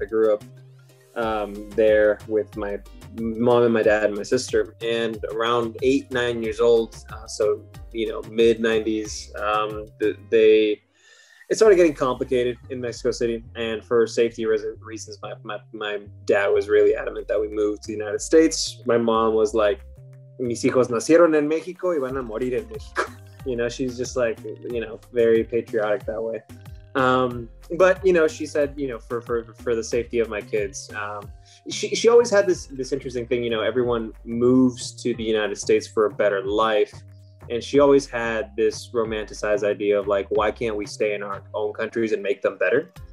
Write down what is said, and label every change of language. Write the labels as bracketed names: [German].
[English] I grew up there with my mom and my dad and my sister. And around 8, 9 years old, so, you know, mid-90s, it started getting complicated in Mexico City. And for safety reasons, my dad was really adamant that we moved to the United States. My mom was like, [Spanish] mis hijos nacieron en México y van a morir en México. [English] You know, she's just like, you know, very patriotic that way. But, you know, she said, you know, for the safety of my kids, she always had this interesting thing, you know, everyone moves to the United States for a better life. And she always had this romanticized idea of like, why can't we stay in our own countries and make them better?